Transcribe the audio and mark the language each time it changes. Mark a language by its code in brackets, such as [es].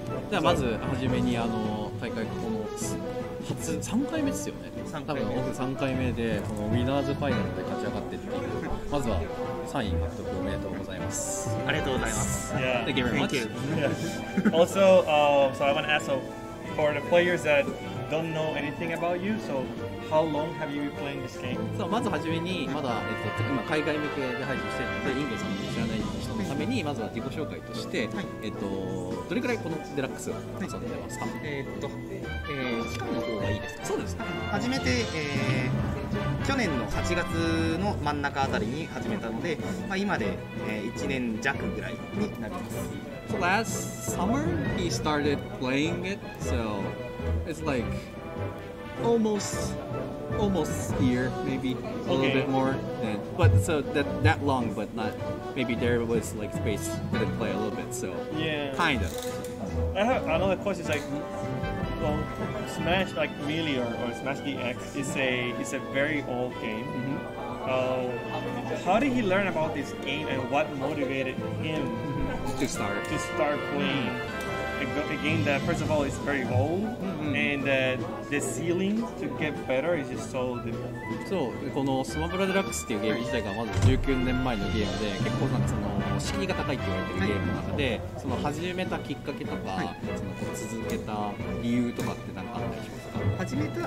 [ja] じゃあまず初めにあの大会この初3回目ですよね。多分僕3回目でこのウィナーズファイナルで勝ち上がってっていう。まずは3位獲得おめでとうございます。ありがとうございます。 [en] Yeah. Thank you very much. Thank you. Yeah. Also, so I want to ask so for the players that don't know anything about you, so how long have you been playing this game? [ja] そうまず初めにまだ今海外向けで配信してるのでインゲンさんも知らない。ためにまずは自己紹介として、はいどれくらいこのデラックスを遊んでますか、はい期間の方がいいですか。そうですね、初めて、去年の8月の真ん中あたりに始めたので、まあ、今で、1年弱ぐらいになります。 [en] So last summer he started playing it, so it's like almost a year, maybe a little bit more than, but so that long, but not maybe there was like space to play a little bit, so yeah, kind of. I have another question, it's like, well, Smash like Melee or Smash DX is a very old game. Mm-hmm. How did he learn about this game and what motivated him to start playing? Mm-hmm. A game that, first of all, is very old, mm-hmm. and the ceiling to get better is just so different. [ja] そう、このスマブラデラックスっていうゲーム自体がまず19年前のゲームで、結構なんかその敷居が高いって言われてるゲームなので、その始めたきっかけとか、そのこう続けた理由とかって何かあったりしますか？